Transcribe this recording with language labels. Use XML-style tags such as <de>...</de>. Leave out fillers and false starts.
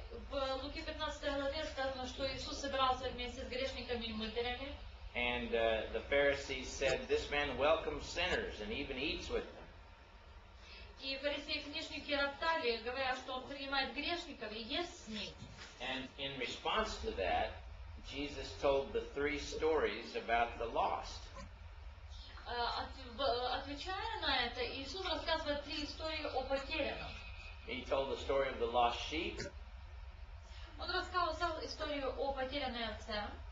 <ru>В Луки 15 главе сказано, что Иисус собирался вместе с грешниками и мытарями.</ru> <en>And the Pharisees said, this man welcomes sinners and even eats with them.</en> <ru>И фарисеи и книжники роптали, говоря, что он принимает грешников и ест с ними.</ru> <en>And in response to that, Jesus told the three stories about the lost.</en> <ru>Отвечая на это, Иисус рассказывает три истории о потерянных.</ru> <en>He told the story of the lost sheep.</en> <ru>Он рассказывал историю о потерянной овце.</ru>